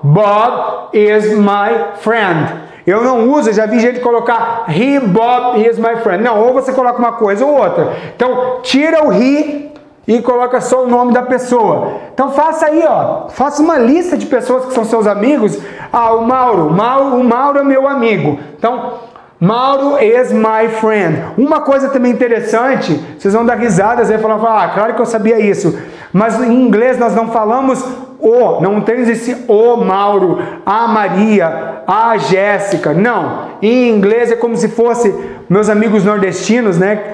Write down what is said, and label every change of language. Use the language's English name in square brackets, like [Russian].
[English] Bob is my friend. [Portuguese] Eu não uso, já vi gente colocar [English] he, Bob, he is my friend. [Portuguese] Não, ou você coloca uma coisa ou outra. Então, tira o he e coloca só o nome da pessoa. Então, faça aí, ó. Faça uma lista de pessoas que são seus amigos. Ah, o Mauro. O Mauro é meu amigo. Então, [English] Mauro is my friend. [Portuguese] Uma coisa também interessante, vocês vão dar risadas aí, falar, ah, claro que eu sabia isso. Mas em inglês nós não falamos o, não temos esse o Mauro, a Maria, a Jéssica, não. Em inglês é como se fosse, meus amigos nordestinos, né?